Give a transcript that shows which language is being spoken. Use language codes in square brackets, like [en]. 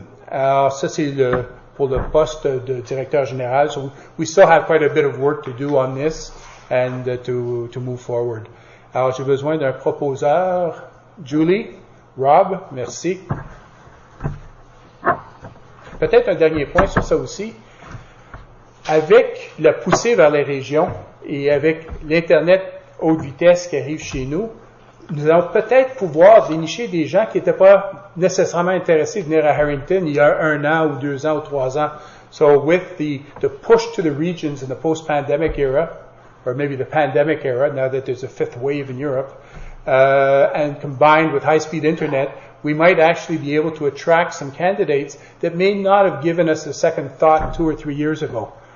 [fr] Alors, ça, c'est le, pour le poste de directeur général. [en] So we still have quite a bit of work to do on this and to move forward. [fr] Alors, j'ai besoin d'un proposeur. Julie? Rob, merci. Peut-être un dernier point sur ça aussi. Avec la poussée vers les régions et avec l'Internet haute vitesse qui arrive chez nous, nous allons peut-être pouvoir dénicher des gens qui n'étaient pas nécessairement intéressés à venir à Harrington il y a un an ou deux ans ou trois ans. [en] So with the push to the regions in the post-pandemic era, or maybe the pandemic era, now that there's a fifth wave in Europe, and combined with high-speed internet, we might actually be able to attract some candidates that may not have given us a second thought 2 or 3 years ago.